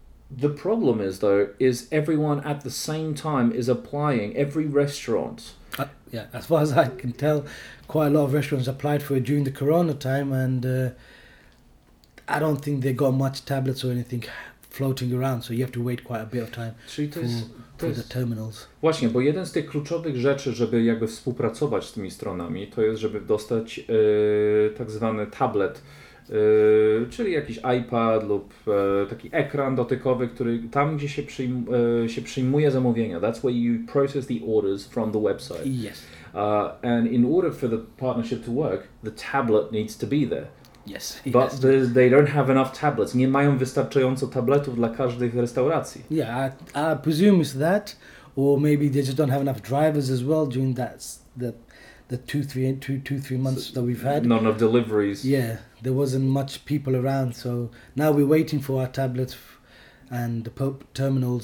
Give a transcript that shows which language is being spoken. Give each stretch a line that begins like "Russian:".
English: The problem is though, is everyone at the same time is applying, every restaurant. As far as I can tell, quite a lot of restaurants applied for it during the corona time, and I don't think they got much tablets or anything floating around, so you have to wait quite a bit of time for the terminals.
Polish: Właśnie, bo jeden z tych kluczowych rzeczy, żeby jakby współpracować z tymi stronami, to jest, żeby dostać tak zwany tablet, czyli jakiś iPad lub taki ekran dotykowy, który tam, gdzie się przyjmuje zamówienia.
English: That's where you process the orders from the website. Yes. And in order for the partnership to work, the tablet needs to be there. Yes, but they don't have enough tablets.
Polish: Nie mają wystarczająco tabletów dla każdej restauracji.
English: Yeah, I presume it's that, or maybe they just don't have enough drivers as well during the two, three months that we've had. Not enough deliveries. Yeah, there wasn't much people around, so now we're waiting for our tablets and the terminals.